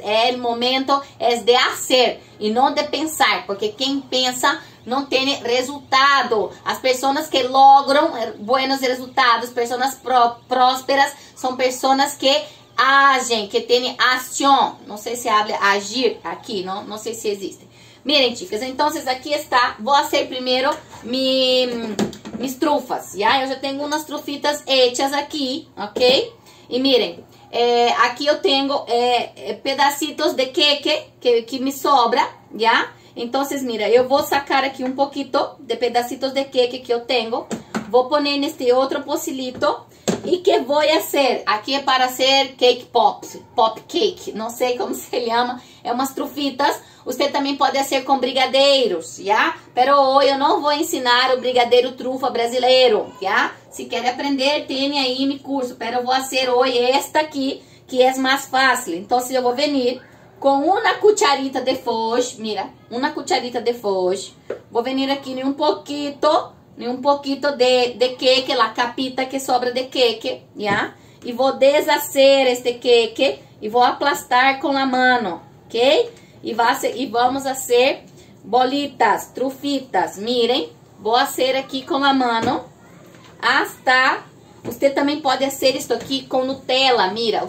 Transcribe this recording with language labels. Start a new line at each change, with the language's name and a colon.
Portuguese: É o momento é de fazer e não de pensar. Porque quem pensa não tem resultado. As pessoas que
Spanish: logram buenos resultados,
Portuguese: pessoas prósperas, são pessoas que agem, que têm ação. Não sei se habla agir aqui, não sei se existe.
Spanish: Miren, chicas, entonces aquí está. Voy a hacer primero mis trufas, ¿ya? Yo ya tengo unas trufitas hechas aquí, ¿ok? Y miren, aquí yo tengo pedacitos de queque que me sobra, ¿ya? Entonces, mira, yo voy a sacar aquí un poquito de pedacitos de queque que yo tengo. Voy a poner en este otro pocilito. ¿Y qué voy a hacer? Aquí es para hacer cake pops, pop cake. No sé cómo se llama. Es unas trufitas. Usted también puede hacer con brigadeiros, ¿ya? Pero hoy yo no voy a enseñar el brigadeiro trufa brasileiro, ¿ya? Si quiere aprender, tiene ahí mi curso. Pero voy a hacer hoy esta aquí, que es más fácil. Entonces yo voy a venir con una cucharita de foge. Mira, una cucharita de foge. Voy a venir aquí en un poquito.
Portuguese: E um pouquinho de queque, a capita que sobra de queque, já? E vou desacer este queque e vou aplastar com a mano, ok? E vamos fazer bolitas, trufitas, miren. Vou fazer aqui com a mano. Hasta, você também pode fazer isso aqui com Nutella, mira.